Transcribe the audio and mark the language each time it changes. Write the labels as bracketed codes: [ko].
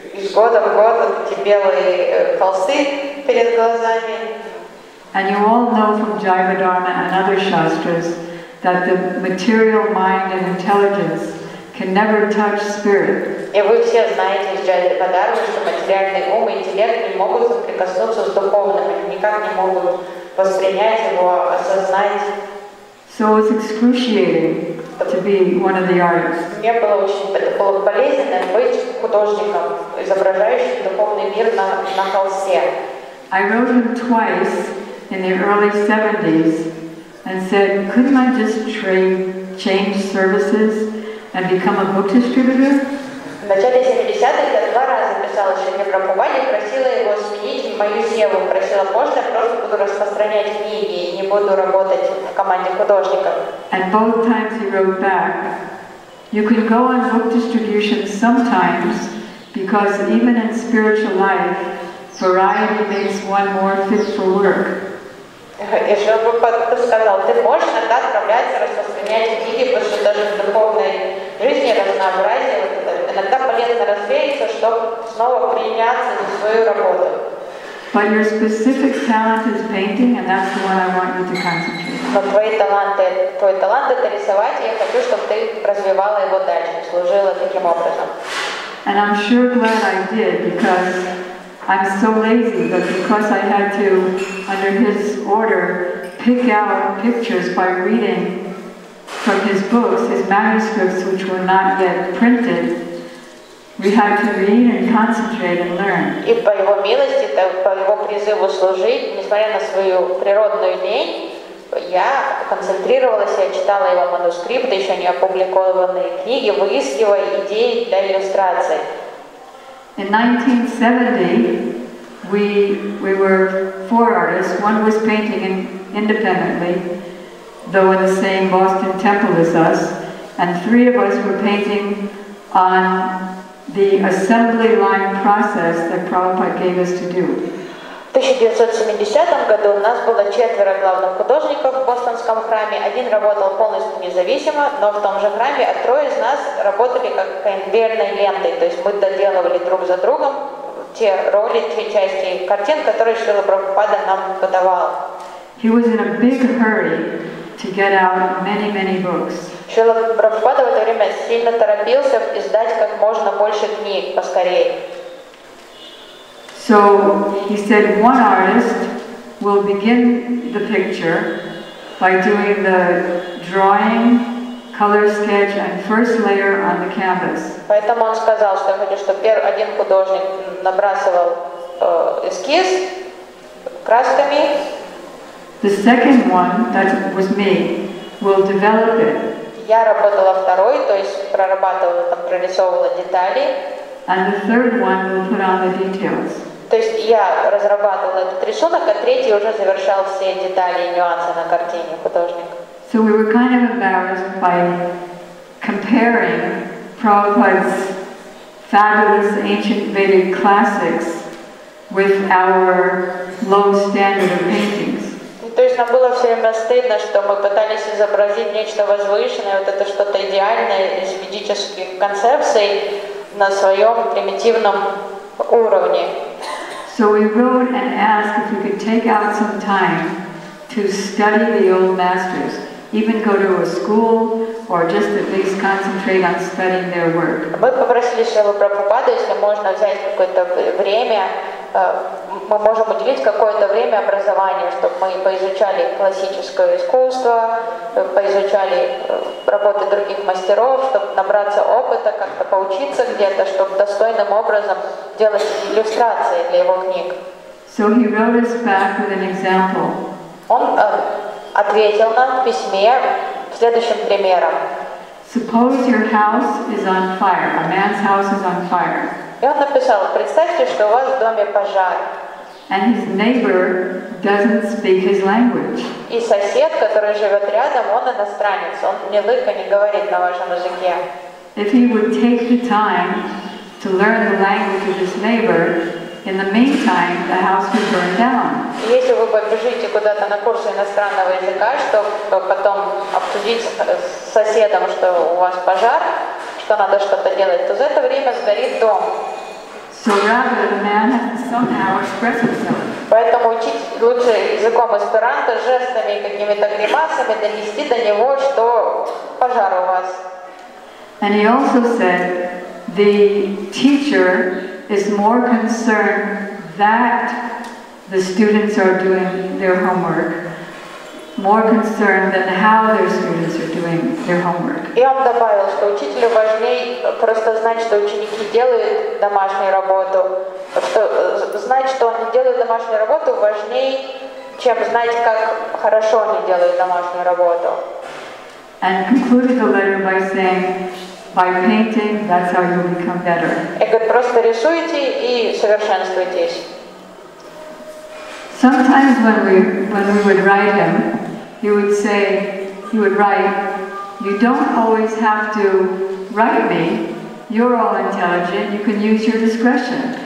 [ru] Из года в год эти белые холсты перед глазами. [en] And you all know from Jivadharma and other shastras that the material mind and intelligence can never touch spirit. [ru] И вы все знаете из Джайвадхармы, что материальный ум и интеллект не могут соприкоснуться с духовным, никак не могут воспринять его, осознать. [en] So it's excruciating to be one of the artists. [ru] Мне было очень болезненно быть художником, изображающим духовный мир на холсте. [en] I wrote him twice in the early 70s and said, couldn't I just change services and become a book distributor? [ru] В начале 70-х я два раза писала Шри Прабхупаде, просила его сменить мою севу, просила, можно я просто буду распространять книги и не буду работать в команде художников. [en] And both times he wrote back, you can go on book distribution sometimes, because even in spiritual life, variety makes one more fit for work. [ru] И Шри Прабхупада сказал, ты можешь иногда отправляться распространять книги, потому что даже в духовной жизни разнообразие. Иногда полезно развеяться, чтобы снова приняться за свою работу. [en] But your specific talent is painting, and that's the one I want you to concentrate on. [ru] Но твой талант это рисовать, и я хочу, чтобы ты развивала его дальше, служила таким образом. [en] And I'm sure glad I did, because I'm so lazy, but because I had to, under his order, pick out pictures by reading from his books, his manuscripts, which were not yet printed, we had to read and concentrate and learn. [ru] И по его милости, по его призыву служить, несмотря на свою природную лень, я концентрировалась, я читала его манускрипты, еще не опубликованные книги, выискивая идеи для иллюстрации. [en] In 1970, we were four artists. One was painting independently, though in the same Boston temple as us, and three of us were painting on the assembly line process that Prabhupada gave us to do. [ru] В 1970 году у нас было четверо главных художников в Бостонском храме. Один работал полностью независимо, но в том же храме, а трое из нас работали как конвейерной лентой. То есть мы доделывали друг за другом те роли, те части картин, которые Шрила Прабхупада нам подавал. [en] He was in a big hurry to get out many books. [ru] Шрила Прабхупада в это время сильно торопился издать как можно больше книг поскорее. [en] So he said, one artist will begin the picture by doing the drawing, color sketch, and first layer on the canvas. [ru] Поэтому он сказал, что хочет, чтобы первый один художник набрасывал эскиз красками. [en] The second one, that was me, will develop it. [ru] Я работала второй, то есть прорабатывала, там, прорисовывала детали. [en] And the third one will put on the details. [ru] То есть я разрабатывала этот рисунок, а третий уже завершал все детали и нюансы на картине художника. [en] So we were kind of embarrassed by comparing Prabhupada's fabulous ancient Vedic classics with our low standard of paintings. [ru] То есть нам было все время стыдно, что мы пытались изобразить нечто возвышенное, вот это что-то идеальное из ведических концепций на своем примитивном уровне. [en] So we wrote and asked if we could take out some time to study the old masters, even go to a school, or just at least concentrate on studying their work. [ru] Мы попросили Шрилу Прабхупаду, если можно взять какое-то время, мы можем уделить какое-то время образованию, чтобы мы поизучали классическое искусство, поизучали работы других мастеров, чтобы набраться опыта, как-то поучиться где-то, чтобы достойным образом делать иллюстрации для его книг. [en] So he wrote us back with an example. [ru] Он ответил нам в письме следующим примером. [en] Suppose your house is on fire. A man's house is on fire. [ru] И он написал, представьте, что у вас в доме пожар. [en] And his neighbor doesn't speak his language. [ru] И сосед, который живет рядом, он иностранец, он ни лыка не говорит на вашем языке. [en] If he would take the time to learn the language of his neighbor, in the meantime, the house would burn down. [ru] Если вы побежите куда-то на курсы иностранного языка, чтобы потом обсудить с соседом, что у вас пожар, что надо что-то делать, то за это время сгорит дом. [en] So rather, the man has to somehow express himself. [ru] Поэтому учить лучше языком эсперанто, жестами, какими-то гримасами, донести до него, что пожар у вас. [en] And he also said, the teacher is more concerned that the students are doing their homework, more concerned than how their students are doing their homework. [ru] И он добавил, что учителю важнее просто знать, что ученики делают домашнюю работу, что знать, что они делают домашнюю работу, важнее, чем знать, как хорошо они делают домашнюю работу. [en] And concluded the letter by saying, by painting, that's how you become better. [ru] И говорит, просто рисуйте и совершенствуйтесь. [en] Sometimes when we would write him, he would say, he would write, you don't always have to write me, you're all intelligent, you can use your discretion.